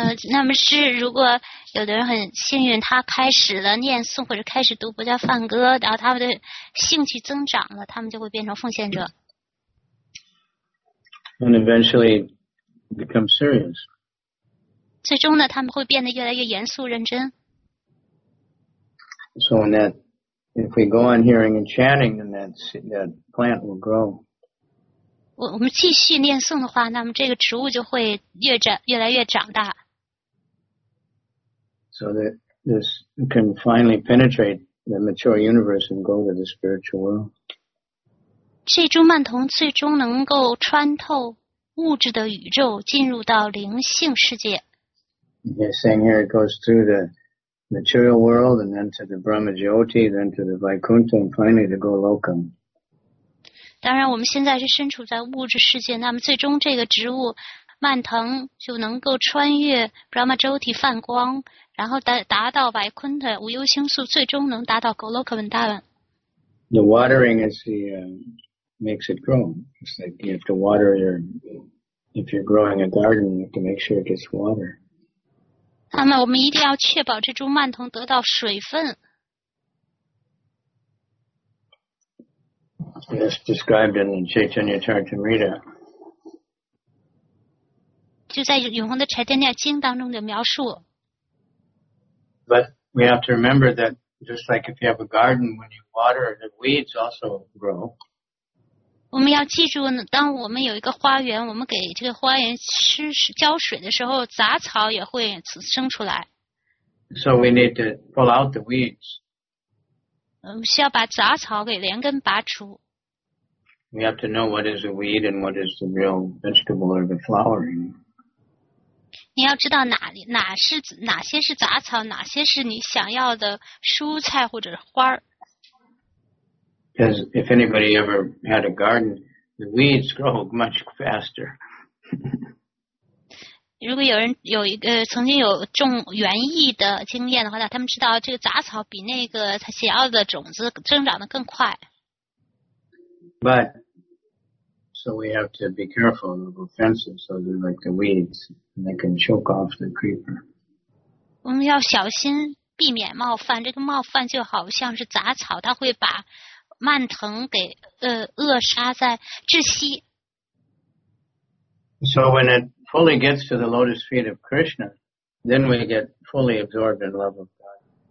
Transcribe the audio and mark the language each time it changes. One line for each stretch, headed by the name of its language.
Chinese: 那么是如果有的人很幸运他开始了念诵或者开始读佛教梵歌然后他们的兴趣增长了他们就会变成奉献者。
English: And eventually become serious.
Chinese: 最终呢他们会变得越来越严肃认真。
English: So when that, if we go on hearing and chanting, then that plant will grow.
Chinese: 我们继续念诵的话那么这个植物就会越来越长大。
English: So that this can finally penetrate the mature universe and go to the spiritual world.
Chinese: 这株蔓藤最终能够穿透物质的宇宙进入到灵性世界。
English: They're saying here it goes through the material world and then to the Brahmajyoti, then to the Vaikuntha, and finally to Goloka.
Chinese: 当然我们现在是身处在物质世界那么最终这个植物蔓藤就能够穿越 Brahmajyoti 泛光然后达到 Vaikuntha 无忧星宿最终能达到 Goloka 文大文。
English: The watering is the, makes it grow. It's like you have to water your, if you're growing a garden, you have to make sure it gets water.
Chinese: 那么我们一定要确保这株蔓藤得到水分。
English: It's described in Chaitanya Charitamrita.
Chinese: 就在永恒的柴田念经当中的描述。
English: But we have to remember that just like if you have a garden, when you water, the weeds also grow.
Chinese: 我们要记住，当我们有一个花园，我们给这个花园施浇水的时候，杂草也会生出来。
English: So we need to pull out the weeds.
Chinese: 我们需要把杂草给连根拔除。
English: We have to know what is a weed and what is the real vegetable or the flower.
Chinese: 你要知道哪些是杂草，哪些是你想要的蔬菜或者花儿。
English: Because if anybody ever had a garden, the weeds grow much faster.
Chinese: 如果有人有一个曾经有种园艺的经验的话，他们知道这个杂草比那个他想要的种子增长得更快。
English: But so we have to be careful of offenses, so they're like the weeds, and they can choke off the creeper.
Chinese: 我们要小心避免冒犯，这个冒犯就好像是杂草，它会把蔓藤给扼杀在窒息。
English: So when it fully gets to the lotus feet of Krishna, then we get fully absorbed in love of God.